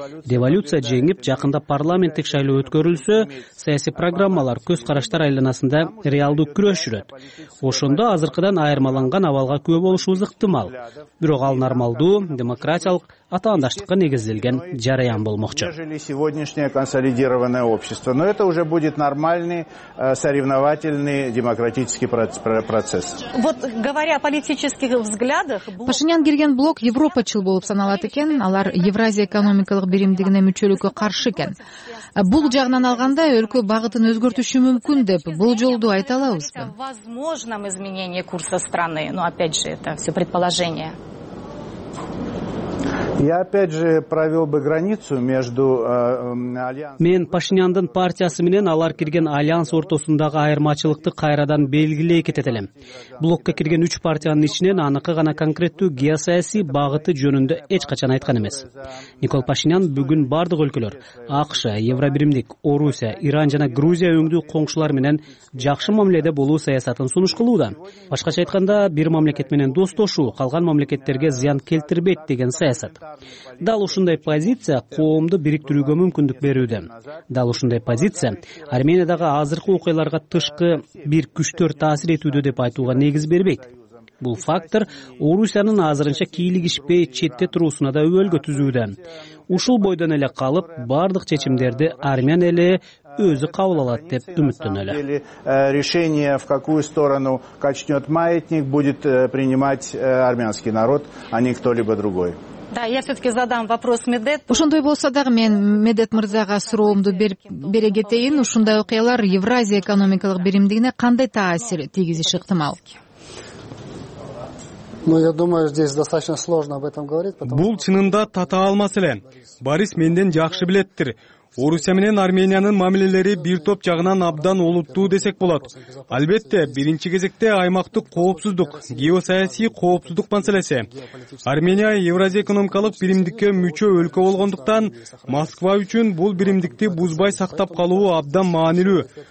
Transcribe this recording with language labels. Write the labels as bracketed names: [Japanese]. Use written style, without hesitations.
[Kyrgyz] Революция жеңип, жакында парламенттик шайлоо өткөрүлсө, саясий программалар көз караштар айланасында реалдуу күрөш жүрөт. Ошондо азыркыдан айырмаланган абалга күбө болушубуз ыктымал. Бирок ал нормалдуу, демократиялык, атаандаштыкка негизделген жараян болмокчу. [Russian] Сегодняшнее консолидированное общество, но это уже будет нормальный соревновательный демократический процесс. Вот говоря о политических взглядах, [Kyrgyz] Пашинян кирген блок Европачыл болуп саналат экен, алар Евразия экономикалык биримдигине мүчөлүккө каршы экен. Бул жагынан алганда өлкө багытын өзгөртүшү мүмкүн деп бул жолду айта алабызбы? [Russian] Возможно, изменение курса страны, но опять же, это всё предположение. Я опять же провел бы границу между альянсом. [Kyrgyz] Мен Пашиняндын партиясы менен алар кирген альянс ортосундагы айырмачылыкты кайрадан белгилей кетет элем. Блокко кирген 3 партиянын ичинен аныкы гана конкреттүү геосаясий багыты жөнүндө эч качан айткан эмес. Никол Пашинян бүгүн бардык өлкөлөр, АКШ, Евробиримдик, Орусия, Иран жана Грузия өңдүү коңшулар менен жакшы мамиледе болуу саясатын сунуш кылууда. Башкача айтканда, бир мамлекет менен достошуу, калган мамлекеттерге зыян келтирбейт деген саясат. Дал ушундай позиция коомду бириктирүүгө мүмкүндүк берүүдө. Дал ушундай позиция Армениядагы азыркы окуяларга тышкы бир күчтөр таасир этүүдө деп айтууга негиз бербейт. Бул фактор Орусиянын азырынча кийлигишпей четте туруусуна да өбөлгө түзүүдө. Ушул бойдон эле калып, бардык чечимдерди армян эли өзү кабыл алат деп үмүттөнөлү. [Russian] Решение, в какую сторону качнет маятник, будет принимать армянский народ, а не кто-либо другой. Да, я все-таки задам вопрос Медет. [Kyrgyz] Ушундай болсо дагы мен Медет мырзага суроомду бере кетейин. Ушундай окуялар Евразия экономикалык биримдигине кандай таасир тийгизиши ыктымал? [Russian] Ну, я думаю, здесь достаточно сложно об этом говорить, [Kyrgyz] потому что бул чынында тата алмас эле. Борис менден жакшы билеттир. Орусия менен Армениянын мамилелери бир топ жагынан абдан олуттуу десек болот. Албетте, биринчи кезекте аймактык коопсуздук, геосаясий коопсуздук маселеси. Армения Евразия экономикалык биримдикке мүчө өлкө болгондуктан, Москва үчүн бул биримдикти бузбай сактап калуу абдан маанилүү.